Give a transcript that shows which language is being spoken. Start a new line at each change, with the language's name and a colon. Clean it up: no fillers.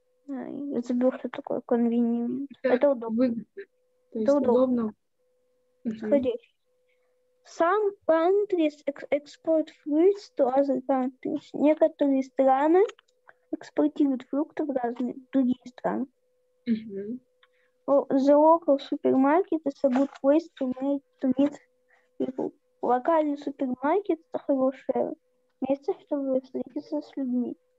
Russian: Я забыл, что такое convenient. Это удобно. Выгодно. Это удобно.
English: Some countries export fruits to other countries.
Russian: Некоторые страны экспортируют фрукты в разные другие страны.
English: The local supermarket is a good place to meet people.
Russian: Локальный супермаркет — это хорошее место, чтобы встретиться с людьми.